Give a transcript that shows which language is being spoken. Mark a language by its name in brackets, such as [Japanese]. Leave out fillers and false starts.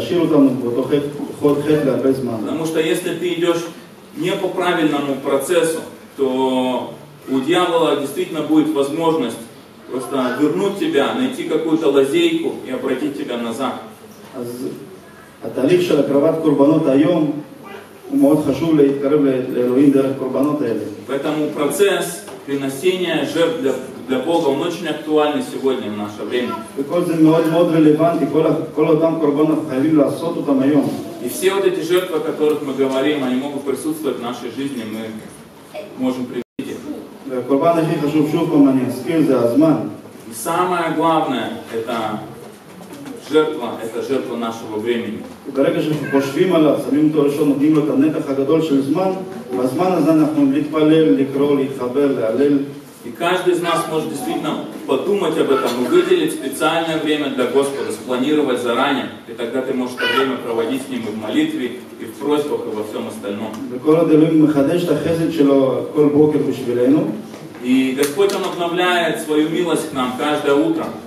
[Russian] Потому что если ты идешь не по правильному процессу, то у дьявола действительно будет возможность просто вернуть тебя, найти какую-то лазейку и обратить тебя назад. [Hebrew] התהליך של הקרבת קורבנות היום הוא מאוד חשוב להתקרב לאלוהים דרך קורבנות האלה. [Russian] Поэтому процесс приношения жертв для Бога, он очень актуальный сегодня в наше время. И все вот эти жертвы, о которых мы говорим, они могут присутствовать в нашей жизни, мы можем привести их. И самое главное, это жертва, нашего времени. [Hebrew] ברגע שאנחנו חושבים עליו, שמים אותו ראשון, נותנים לו את הנתח הגדול של זמן, בזמן הזה אנחנו להתפלל, לקרוא, להתחבר, להלל. [Russian] И каждый из нас может действительно подумать об этом и выделить специальное время для Господа, спланировать заранее. И тогда ты можешь это время проводить с Ним и в молитве, и в просьбах, и во всем остальном. [Hebrew] וכל עוד אלוהים מחדש את החסד שלו כל בוקר בשבילנו. [Russian] И Господь, Он обновляет Свою милость к нам каждое утро.